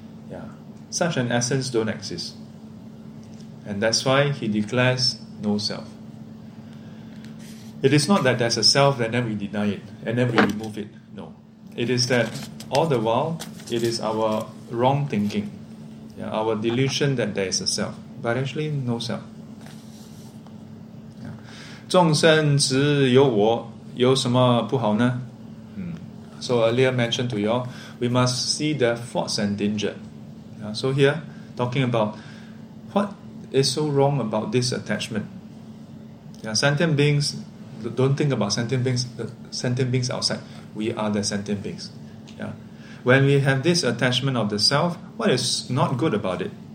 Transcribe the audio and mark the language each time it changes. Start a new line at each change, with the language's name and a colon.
English: Yeah, such an essence don't exist. And that's why he declares no self. It is not that there's a self and then we deny it and then we remove it. No. It is that all the while, it is our wrong thinking, our delusion that there is a self. But actually, no self.
Chinese: 众生只有我有什么不好呢?
English: So earlier mentioned to you all, we must see the faults and danger. So here, talking about what is so wrong about this attachment. Yeah, sentient beings, don't think about sentient beings, sentient beings outside. We are the sentient beings. Yeah. When we have this attachment of the self, what is not good about it?